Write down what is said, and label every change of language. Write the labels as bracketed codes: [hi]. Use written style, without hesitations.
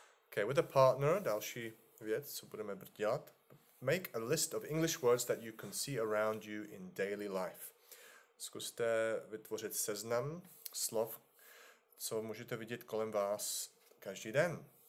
[en] Okay, with a partner, [cs] další věc, co budeme dělat. [en] Make a list of English words that you can see around you in daily life. [cs] Zkuste vytvořit seznam slov, co můžete vidět kolem vás každý den.